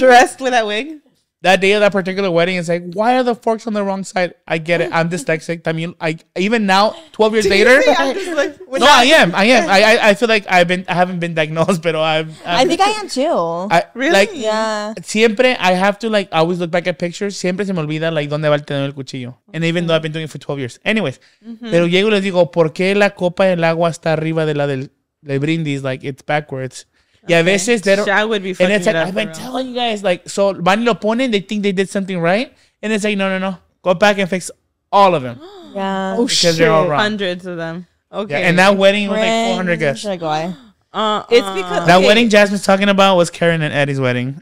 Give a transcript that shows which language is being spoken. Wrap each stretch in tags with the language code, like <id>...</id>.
<en>Dressed with that wig. That day of that particular wedding, it's like, why are the forks on the wrong side? I get it. I'm dyslexic. I mean, even now, 12 years later. I am. I feel like I haven't been diagnosed, but I think I am too. Really? Like, yeah.</en> <es>Siempre,</es> <en>I have to like always look back at pictures.</en> <es>Siempre se me olvida like dónde va el tenedor el cuchillo.</es> <en>And even though I've been doing it for 12 years. Anyways. Mm-hmm.</en> <es>Pero llego y les digo, ¿por qué la copa del agua está arriba de la del brindis?</es> <en>Like, it's backwards. Yeah, okay. This is that would be fucking. And it's like, I've been telling you guys, like,</en> <es>so van lo ponen,</es> <en>they think they did something right. And it's like, no. Go back and fix all of them. Yeah. Oh, because they're all wrong. Hundreds of them. Okay. Yeah, and that wedding was like 400 guests. It's because that wedding Jasmine's talking about was Karen and Eddie's wedding.</en>